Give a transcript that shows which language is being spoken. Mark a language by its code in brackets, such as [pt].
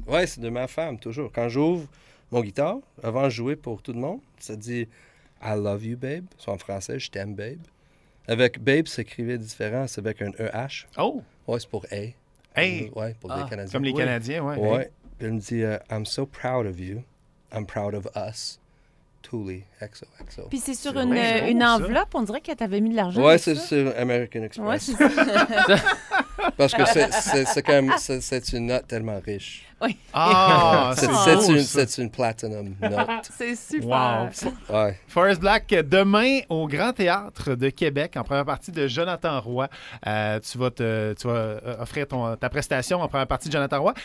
[fr] Oui, c'est de ma femme, toujours. Quand j'ouvre mon guitare, avant de jouer pour tout le monde, ça dit « [en] I love you, babe ». [fr] Soit en français, « Je t'aime, babe ». Avec « babe », s'écrivait différent. C'est avec un « E-H ». Oh! Oui, c'est pour « A ». Hey! Oui, pour les Canadiens. Comme les Canadiens, oui. Oui. Puis elle me dit « [en] I'm so proud of you. I'm proud of us. » Thule, XO, XO. [fr] Puis c'est sur une enveloppe, ça. On dirait que t'avais mis de l'argent. Ouais, c'est sur American Express. Ouais, c'est ça. Parce que c'est quand même, c'est une note tellement riche. Oui. Ah, c'est une platinum note. C'est super. Wow. Ouais. Forest Black, demain au Grand Théâtre de Québec, en première partie de Jonathan Roy, tu vas offrir ta prestation en première partie de Jonathan Roy.